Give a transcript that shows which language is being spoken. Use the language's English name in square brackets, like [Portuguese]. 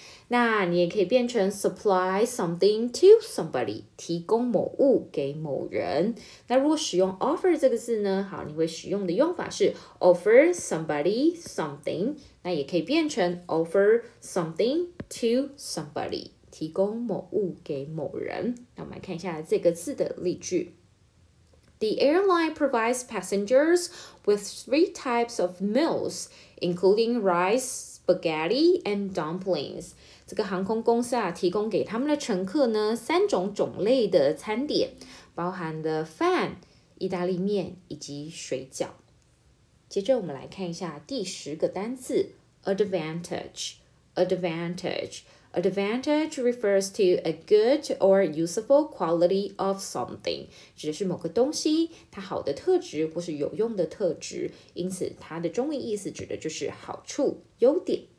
[Chinese] 那你也可以变成 [English] supply something to somebody, [Chinese] 提供某物给某人。那如果使用 offer 这个字呢，好，你会使用的用法是 [English] offer somebody something, [Chinese] 那也可以变成 [English] offer something to somebody, [Chinese] 提供某物给某人。那我们来看一下这个字的例句。 [English] The airline provides passengers with three types of meals, including rice, spaghetti, and dumplings. [Chinese] 这个航空公司啊，提供给他们的乘客呢，三种种类的餐点，包含的饭、意大利面以及水饺。接着我们来看一下第十个单字 ,advantage, advantage, [English] advantage refers to a good or useful quality of something, [Chinese] 指的是某个东西，它好的特质或是有用的特质，因此它的中文意思指的就是好处、优点。